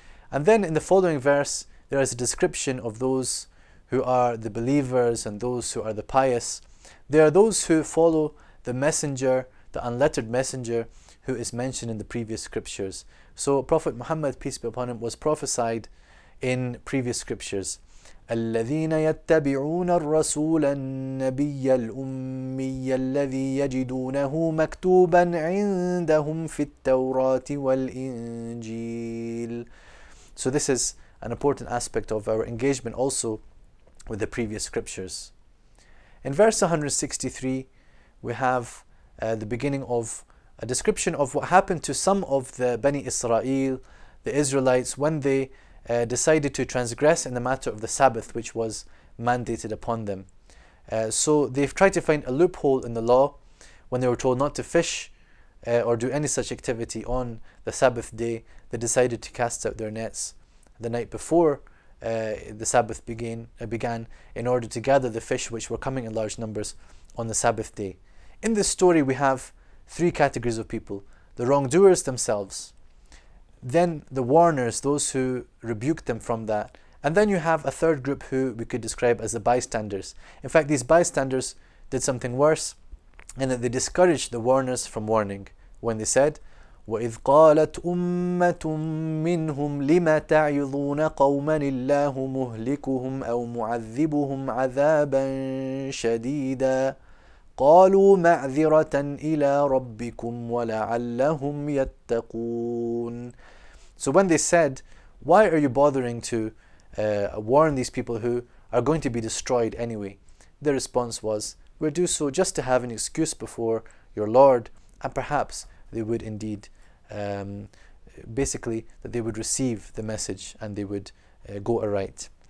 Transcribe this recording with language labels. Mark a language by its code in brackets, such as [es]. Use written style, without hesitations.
[en] And then in the following verse, there is a description of those who are the believers and those who are the pious. They are those who follow the messenger, the unlettered messenger, who is mentioned in the previous scriptures. So Prophet Muhammad, peace be upon him, was prophesied in previous scriptures. [ar] الذين يتبعون الرسول النبي الأمي الذي يجدونه مكتوبا عندهم في التوراة والإنجيل. [en] So this is an important aspect of our engagement also with the previous scriptures. In verse 163, we have the beginning of a description of what happened to some of the Bani Israel, the Israelites, when they decided to transgress in the matter of the Sabbath, which was mandated upon them. So they've tried to find a loophole in the law when they were told not to fish or do any such activity on the Sabbath day. They decided to cast out their nets the night before the Sabbath began in order to gather the fish which were coming in large numbers on the Sabbath day. In this story, we have three categories of people: the wrongdoers themselves, then the warners, those who rebuked them from that, and then you have a third group who we could describe as the bystanders. In fact, these bystanders did something worse, in that they discouraged the warners from warning when they said, [ar] وَإِذْ قَالَتْ أُمَّةٌ مِّنْهُمْ لِمَ تَعِظُونَ قَوْمًا إِلَّهُ مُهْلِكُهُمْ أَوْ مُعَذِّبُهُمْ عَذَابًا شَدِيدًا قَالُوا مَعْذِرَةً إِلَىٰ رَبِّكُمْ وَلَعَلَّهُمْ يَتَّقُونَ. [en] So when they said, why are you bothering to warn these people who are going to be destroyed anyway? Their response was, we'll do so just to have an excuse before your Lord, and perhaps they would indeed, basically, that they would receive the message and they would go aright.